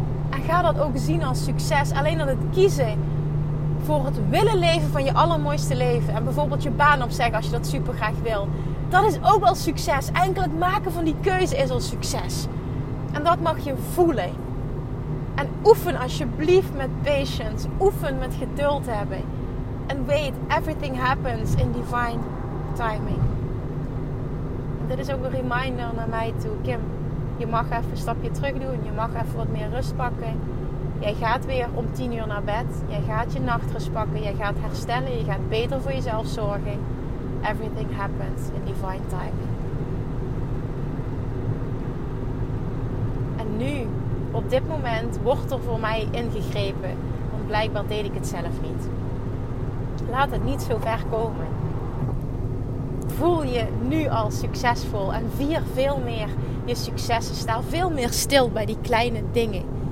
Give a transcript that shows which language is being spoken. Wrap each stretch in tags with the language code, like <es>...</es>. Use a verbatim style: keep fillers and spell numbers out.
<nl>En ga dat ook zien als succes. Alleen aan het kiezen voor het willen leven van je allermooiste leven. En bijvoorbeeld je baan opzeggen als je dat super graag wil. Dat is ook al succes. Enkel het maken van die keuze is al succes. En dat mag je voelen. En oefen alsjeblieft met patience. Oefen met geduld hebben. En weet,</nl> <en>everything happens in divine timing.</en> <nl>En dit is ook een reminder naar mij toe. Kim, je mag even een stapje terug doen. Je mag even wat meer rust pakken. Jij gaat weer om tien uur naar bed. Jij gaat je nachtrust pakken. Jij gaat herstellen. Je gaat beter voor jezelf zorgen.</nl> <en>Everything happens in divine timing.</en> <nl>En nu... op dit moment wordt er voor mij ingegrepen. Want blijkbaar deed ik het zelf niet. Laat het niet zo ver komen. Voel je nu al succesvol. En vier veel meer je successen. Sta veel meer stil bij die kleine dingen.</nl>